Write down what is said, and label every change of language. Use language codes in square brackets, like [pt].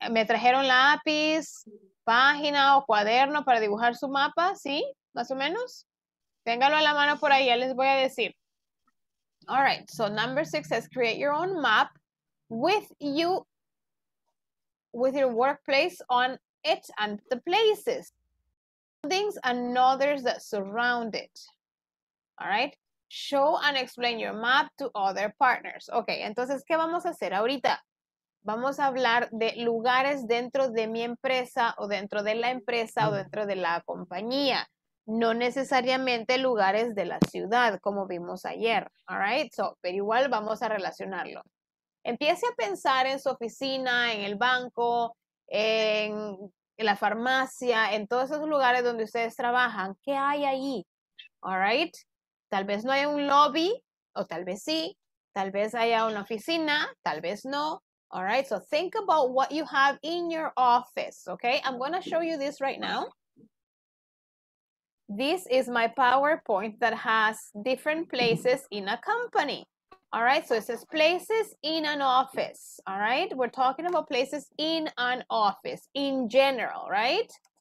[es] Me trajeron lápiz, página o cuaderno para dibujar su mapa, ¿sí? Más o menos. Téngalo a la mano por ahí, ya les voy a decir. [en] All right, so number 6 says create your own map with your workplace on it and the places, buildings and others that surround it. All right, show and explain your map to other partners. [es] Okay, entonces, ¿qué vamos a hacer ahorita? Vamos a hablar de lugares dentro de mi empresa o dentro de la empresa o dentro de la compañía. No necesariamente lugares de la ciudad, como vimos ayer, [en] all right? [es] So, pero igual vamos a relacionarlo. Empiece a pensar en su oficina, en el banco, en la farmacia, en todos esos lugares donde ustedes trabajan. ¿Qué hay ahí? [en] All right? [es] Tal vez no haya un lobby, o tal vez sí. Tal vez haya una oficina, tal vez no. [en] All right? So, think about what you have in your office, okay? I'm going to show you this right now. This is my PowerPoint that has different places in a company. All right, so it says places in an office. All right, we're talking about places in an office in general, right?